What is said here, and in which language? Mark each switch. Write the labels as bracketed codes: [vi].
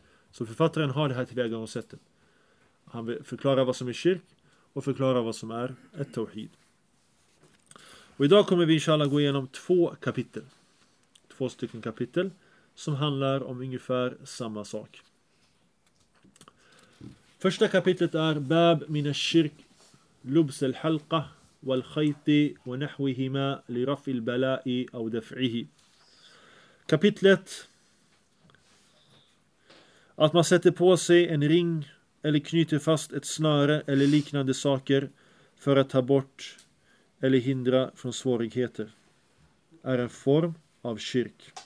[sv] Så författaren har det här tillvägagångssättet. Han förklarar vad som är kyrk och förklarar vad som är ett tawhid. Och idag kommer vi inshallah gå igenom två stycken kapitel som handlar om ungefär samma sak. Första kapitlet är Bab mina kyrk. [ar] لبس الحلقة والخيط ونحوهما لرفع البلاء أو دفعه. [sv] Kapitlet, att man sätter på sig en ring eller knyter fast ett snöre eller liknande saker för att ta bort eller hindra från svårigheter, är en form av kyrk.